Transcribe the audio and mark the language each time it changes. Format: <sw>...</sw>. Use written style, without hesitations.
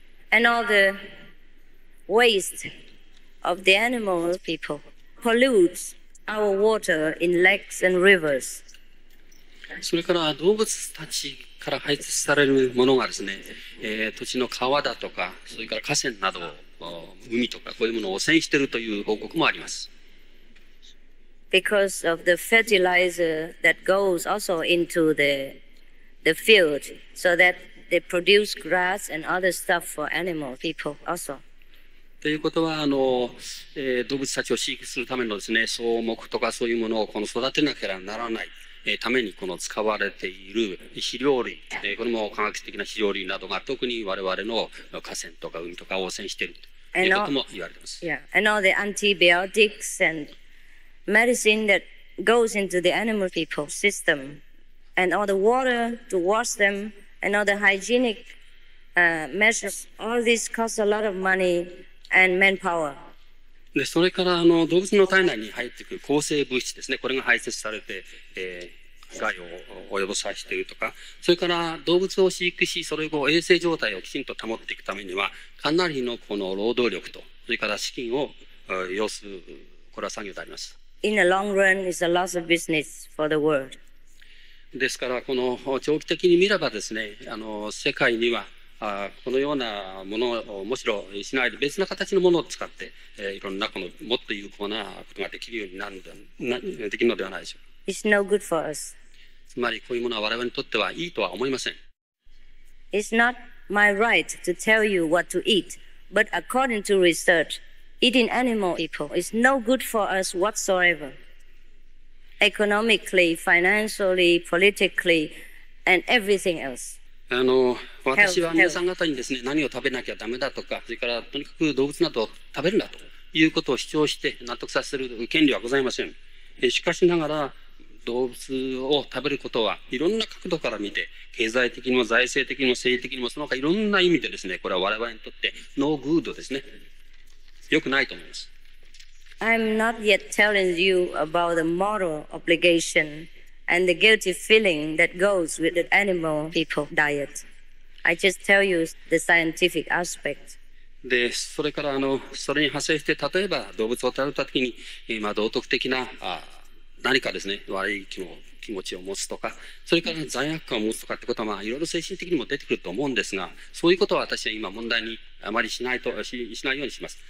<en>And all the waste of the animal people pollutes our water in lakes and rivers.</en> <ja>それから動物たちから排出されるものがですね、土地の川だとか、それから河川など海とかこういうものを汚染しているという報告もあります。</ja> <en>Because of the fertilizer that goes also into the field, so that they produce grass and other stuff for animal people also.</en> <ja>ということは動物たちを飼育するためのですね、草木とかそういうものをこの育てなければならない、ためにこの使われている飼料類、これも科学的な飼料類などが特に我々の河川とか海とか汚染しているということも言われています</ja> <en>Yeah, and all the antibiotics and medicine that goes into the animal people system, and all the water to wash them, and all the hygienic measures, all this costs a lot of money and manpower.</en> <ja>でそれからあの動物の体内に入ってくる抗生物質ですね、これが排泄されて、害を及ぼさせているとか、それから動物を飼育し、それ後衛生状態をきちんと保っていくためにはかなりのこの労働力と、それから資金を要する、これは作業であります。</ja> <en>In the long run, it's a loss of business for the world.</en> <ja>ですからこの長期的に見ればですね、あの世界にはこのようなものをむしろしないで別な形のものを使って、いろんなこのもっと有効なことができるようになるできるのではないでしょうか。</ja> <en>It's no good for us.</en> <ja>つまりこういうものは我々にとってはいいとは思いません。</ja> <en>It's not my right to tell you what to eat, but according to research,Eating animal people is no good for us whatsoever. Economically, financially, politically, and everything else.</en> <ja>あの、私は皆さん方にですね、何を食べなきゃダメだとか、それからとにかく動物などを食べるなということを主張して納得させる権利はございません。しかしながら、動物を食べることはいろんな角度から見て、経済的にも財政的にも政治的にもその他いろんな意味でですね、これは我々にとってノーグードですね。良くないと思います。</ja> <en>I'm not yet telling you about the moral obligation and the guilty feeling that goes with the animal people diet. I just tell you the scientific aspect.</en> <ja>で、それからあのそれに派生して、例えば動物を食べた時に、まあ道徳的な何かですね、悪い気持ちを持つとか、それから罪悪感を持つとかってことは、まあ、いろいろ精神的にも出てくると思うんですが、そういうことは私は今問題にあまりしないようにします。</ja>